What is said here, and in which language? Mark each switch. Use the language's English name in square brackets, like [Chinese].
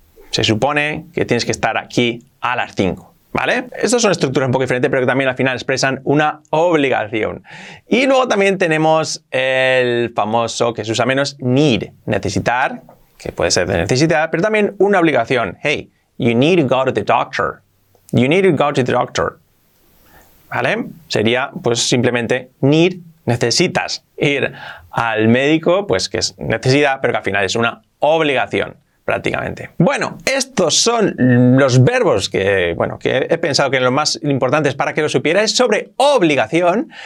[Spanish] Se supone que tienes que estar aquí a las 5, ¿vale? Estas son estructuras un poco diferentes, pero que también al final expresan una obligación. Y luego también tenemos el famoso, que se usa menos, need, necesitar, que puede ser de necesidad, pero también una obligación. [English] Hey, you need to go to the doctor. You need to go to the doctor. ¿Vale? [Spanish] Sería, pues, simplemente need, necesitas ir al médico, pues, que es necesidad, pero que al final es una obligación, prácticamente. Bueno, estos son los verbos que he pensado que los más importantes para que lo supierais sobre obligación.